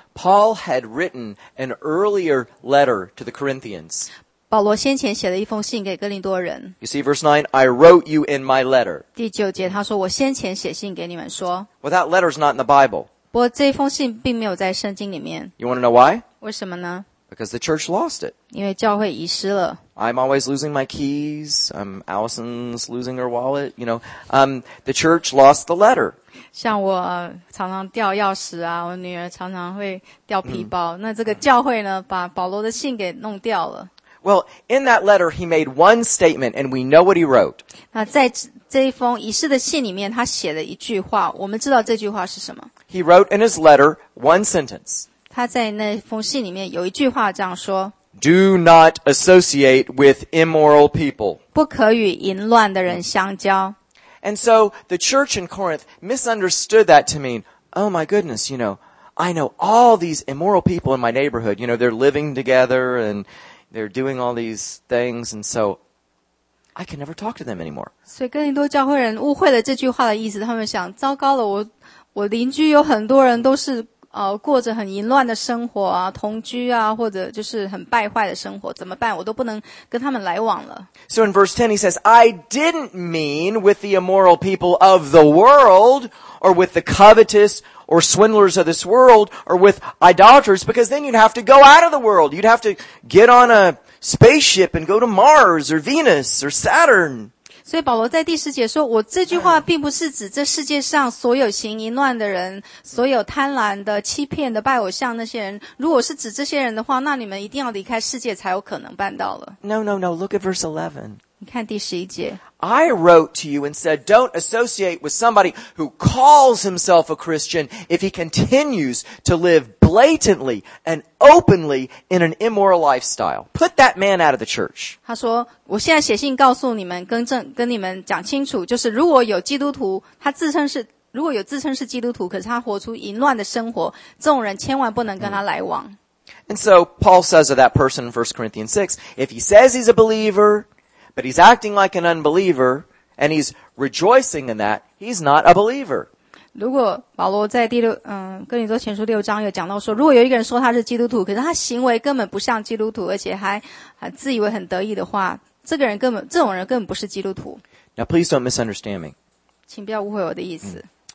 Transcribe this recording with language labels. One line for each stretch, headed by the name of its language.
English: Paul had written an earlier letter to the Corinthians.
Chinese: 保罗先前写了一封信给哥林多人。
English: You see verse 9, I wrote you in my letter.
Chinese: 第九节他说我先前写信给你们说。
English: Well, that letter's not in the Bible.
Chinese: 不过这封信并没有在圣经里面。
English: You want to know why?
Chinese: 为什么呢?
English: Because the church lost it.
Chinese: 因为教会遗失了。
English: I'm always losing my keys. Allison's losing her wallet. You know, the church lost the letter.
Chinese: 像我常常掉钥匙啊，我女儿常常会掉皮包。那这个教会呢，把保罗的信给弄掉了。
English: Well, in that letter, he made one statement, and we know what he wrote.
Chinese: 那在这一封遗失的信里面，他写了一句话，我们知道这句话是什么。
English: He wrote in his letter one sentence.
Chinese: 他在那封信里面有一句话这样说。
English: Do not associate with immoral people.
Chinese: 不可与淫乱的人相交。
English: And so the church in Corinth misunderstood that to mean, oh my goodness, you know, I know all these immoral people in my neighborhood. You know, they're living together and they're doing all these things. And so I can never talk to them anymore.
Chinese: 所以哥林多教会人误会了这句话的意思。他们想，糟糕了，我邻居有很多人都是过着很淫乱的生活啊，同居啊，或者就是很败坏的生活，怎么办？我都不能跟他们来往了。
English: So in verse 10 he says, I didn't mean with the immoral people of the world, or with the covetous or swindlers of this world, or with idolaters, because then you'd have to go out of the world. You'd have to get on a spaceship and go to Mars or Venus or Saturn.
Chinese: 所以保罗在第十节说，我这句话并不是指这世界上所有行淫乱的人，所有贪婪的、欺骗的、拜偶像那些人。如果是指这些人的话，那你们一定要离开世界才有可能办到了。
English: No, no, no. Look at verse 11.
Chinese: 你看第十一节。
English: I wrote to you and said, don't associate with somebody who calls himself a Christian if he continues to live blatantly and openly in an immoral lifestyle. Put that man out of the church.
Chinese: 他说，我现在写信告诉你们，更正，跟你们讲清楚，就是如果有基督徒，他自称是，如果有自称是基督徒，可是他活出淫乱的生活，这种人千万不能跟他来往。
English: And so Paul says of that person in 1 Corinthians 6, if he says he's a believer... But he's acting like an unbeliever, and he's rejoicing in that. He's not a believer.
Chinese: 如果保罗在第六，哥林多前书六章有讲到说，如果有一个人说他是基督徒，可是他行为根本不像基督徒，而且还自以为很得意的话，这个人根本，这种人根本不是基督徒。
English: Now, please don't misunderstand me.
Chinese: 请不要误会我的意思。